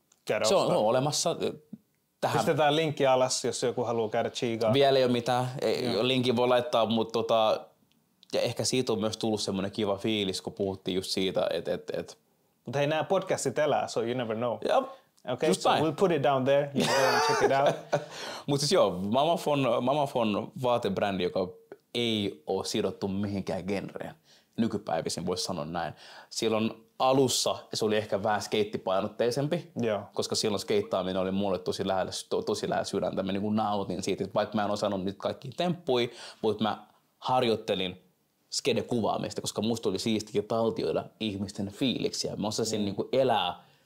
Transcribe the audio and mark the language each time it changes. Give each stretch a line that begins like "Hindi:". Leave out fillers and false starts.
Finnish: käydä ostamaan? Se on olemassa. Tähän. Pistetään linkki alas, jos joku haluaa käydä chiigaa. Vielä ei ole mitään. Linkki voi laittaa, mutta ja ehkä siitä on myös tullut semmoinen kiva fiilis, kun puhuttiin just siitä, että mutta hei, nämä podcastit elää,
English: so you never know. Yep. Okay, just so fine. We'll put it down there, you can really check it out.
Finnish: Mutta siis joo, Mamafon vaatebrändi, joka ei ole sidottu mihinkään genreen. Nykypäivisin voisi sanoa näin. Silloin alussa se oli ehkä vähän skeittipainotteisempi, koska silloin skeittaaminen oli mulle tosi lähellä sydäntä. Mä niin kuin nautin siitä, että vaikka mä en osannut niitä kaikkia temppuja, mutta mä harjoittelin skede-kuvaamista, koska musta oli siistikin taltioida ihmisten fiiliksiä. Mä osasin niin kuin elää